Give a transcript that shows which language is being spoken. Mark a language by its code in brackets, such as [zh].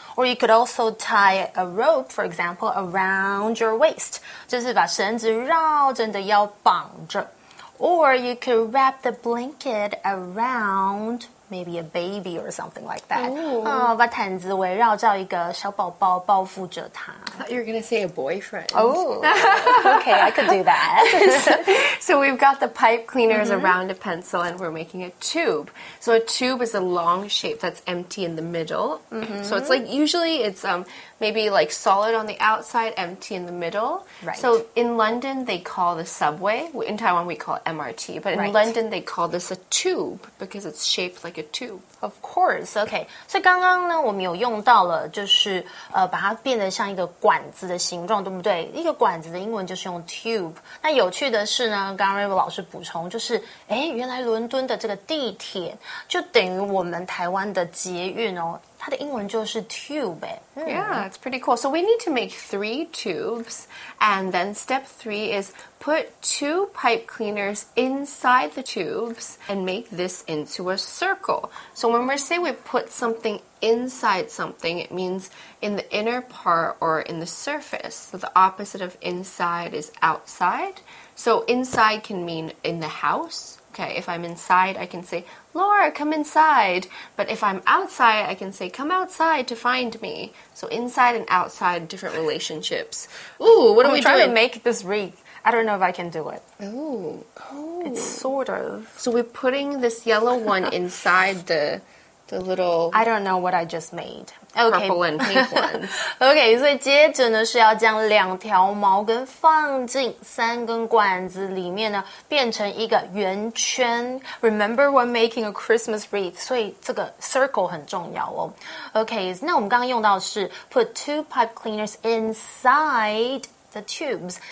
[en] Or you could also tie a rope, for example, around your waist. [zh] 就是把绳子绕着你的腰绑着。 [en] Or you could wrap the blanket around maybe a baby or something like that. Oh, [zh] 把毯子围绕着一个小宝宝抱负着他。 [en] I thought you were going to say a boyfriend. Oh, okay, I could do that. So we've got the pipe cleaners around a pencil and we're making a tube. So a tube is a long shape that's empty in the middle. So it's like usually it's maybe like solid on the outside, empty in the middle. Right. So in London, they call the subway. In Taiwan, we call it MRT. But in London, they call this a tube because it's shaped like a tube. Of course. Okay. [zh] 所以刚刚呢，我们有用到了，就是把它变得像一个管子的形状，对不对？一个管子的英文就是用 tube. 那有趣的是呢，刚刚 Rainbow 老师补充，就是原来伦敦的这个地铁就等于我们台湾的捷运哦。它的英文就是 tube, eh? [en] Yeah, it's pretty cool. So we need to make three tubes, and then step three is put two pipe cleaners inside the tubes and make this into a circle. So when we say we put something inside something, it means in the inner part or in the surface. So the opposite of inside is outside. So inside can mean in the house. Okay, if I'm inside, I can say,Laura, come inside. But if I'm outside, I can say, come outside to find me. So inside and outside, different relationships. Ooh, what are we doing? I'm trying to make this wreath. I don't know if I can do it. Ooh. It's sort of. So we're putting this yellow one inside the little... I don't know what I just made. Okay. Purple and pink ones. [zh] Okay, 所以接着呢是要将两条毛根放进三根管子里面呢变成一个圆圈。 Remember when making a Christmas wreath, 所以这个 circle 很重要哦。 [en] Okay, 那我们刚刚用到的是 put two pipe cleaners inside the tubes.